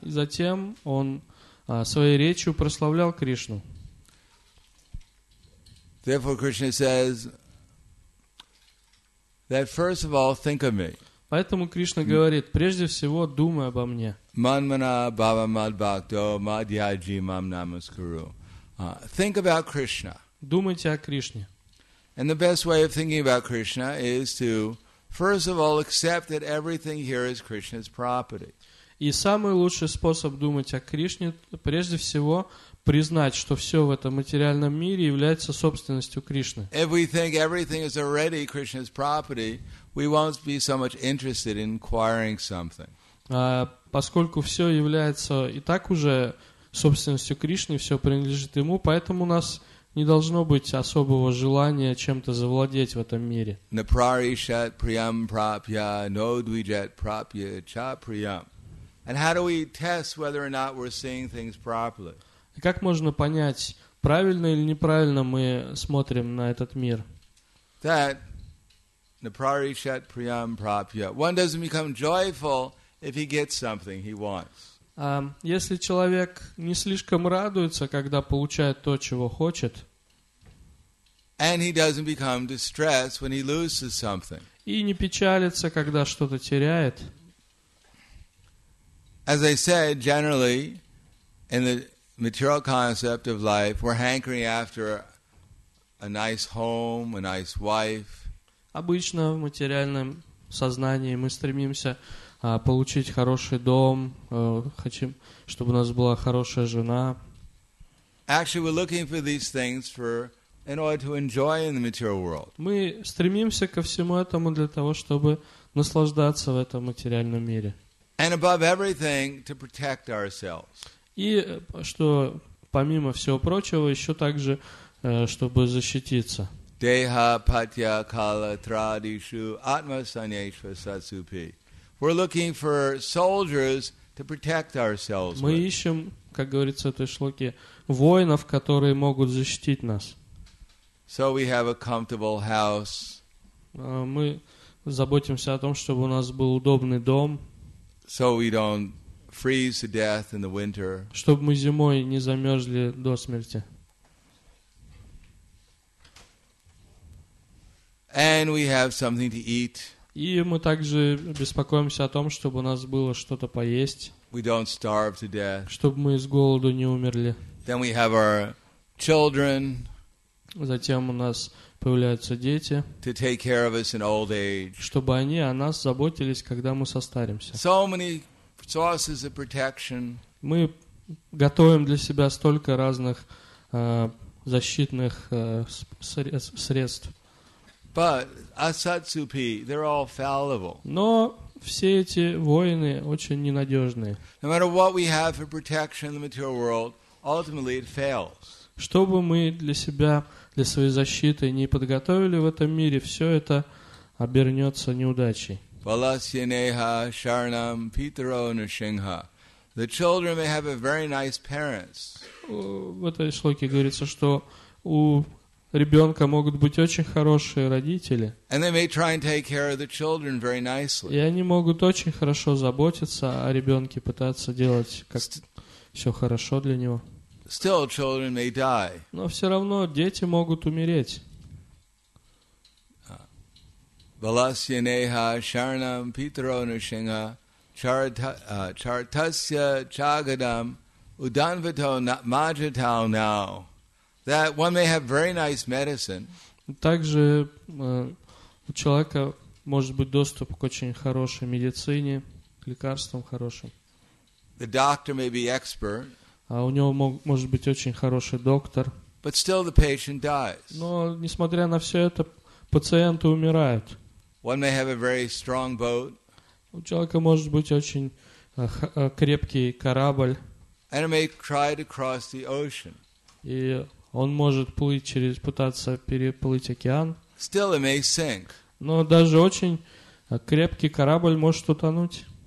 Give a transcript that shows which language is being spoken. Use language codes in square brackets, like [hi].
[ru] И затем он своей речью прославлял Кришну. [en] Therefore Krishna says that first of all think of me. [ru] Поэтому Кришна говорит, прежде всего, думай обо мне. [sa] Манмана бава мадбакто мадьяджи мам намаскуру. [en] Think about Krishna. [ru] Думайте о Кришне. [en] And the best way of thinking about Krishna is to, first of all, accept that everything here is Krishna's property. [ru] И самый лучший способ думать о Кришне, прежде всего, признать, что все в этом материальном мире является собственностью Кришны. [en] If we think everything is already Krishna's property, we won't be so much interested in acquiring something. [ru] Поскольку все является и так уже собственностью Кришны, все принадлежит ему, поэтому у нас не должно быть особого желания чем-то завладеть в этом мире. [sa] Напраришат приям прапья, но двиджат прапья ча приям. [en] And how do we test whether or not we're seeing things properly? [ru] Как можно понять, Правильно или неправильно мы смотрим на этот мир? [sa] That naparishat priyam prapya. [en] One doesn't become joyful if he gets something he wants. [ru] Если человек не слишком радуется, когда получает то, чего хочет, [en] and he doesn't become distressed when he loses something. [ru] И не печалится, когда что-то теряет. [en] As I said, generally, in the material concept of life, we're hankering after a nice home, a nice wife. [ru] Обычно в материальном сознании мы стремимся получить хороший дом, хотим, чтобы у нас была хорошая жена. [en] Actually, we're looking for these things for in order to enjoy in the material world. [ru] Мы стремимся ко всему этому для того, чтобы наслаждаться в этом материальном мире. [en] And above everything, to protect ourselves. [ru] И что помимо всего прочего, еще также, чтобы защититься. [sa] Deha patya kala tradishu atma sanyeshva satsupi. [en] We're looking for soldiers to protect ourselves. [ru] Мы ищем, как говорится в этой шлоке, воинов, которые могут защитить нас. [en] So we have a comfortable house. [ru] Мы заботимся о том, чтобы у нас был удобный дом. [en] So we don't freeze to death in the winter. [ru] Чтобы мы зимой не замерзли до смерти. [en] And we have something to eat. [ru] И мы также беспокоимся о том, чтобы у нас было что-то поесть. [en] We don't starve to death. [ru] Чтобы мы с голоду не умерли. [en] Then we have our children. [ru] Затем у нас появляются дети, [en] to take care of us in old age. [ru] Чтобы они о нас заботились, когда мы состаримся. [en] So many sources of protection. [ru] Мы готовим для себя столько разных защитных средств. [en] But asatsupi, they're all fallible. [ru] Но все эти воины очень ненадежные. [en] No matter what we have for protection in the material world, ultimately it fails. [ru] Что бы мы для себя, для своей защиты не подготовили в этом мире, все это обернется неудачей. [sa] Valasyaneha sharanam pitaro nushingha. [en] The children may have a very nice parents. [ru] В этой шлоке говорится, что у ребенка могут быть очень хорошие родители. [en] And they may try and take care of the children very nicely. [ru] И они могут очень хорошо заботиться о ребенке, пытаться делать как все хорошо для него. [en] Still, children may die. [ru] Но все равно дети могут умереть. [en] That one may have very nice medicine. [ru] Также у человека может быть доступ к очень хорошей медицине, к лекарствам хорошим. [en] The doctor may be expert. [ru] А у него может быть очень хороший доктор. [en] But still the patient dies. [ru] Но несмотря на все это, пациенты умирают. [en] One may have a very strong boat. [ru] У человека может быть очень крепкий корабль. [en] And it may try to cross the ocean. [ru] И он может плыть через, пытаться переплыть океан. [en] Still it may sink. [ru] Но даже очень крепкий корабль может утонуть.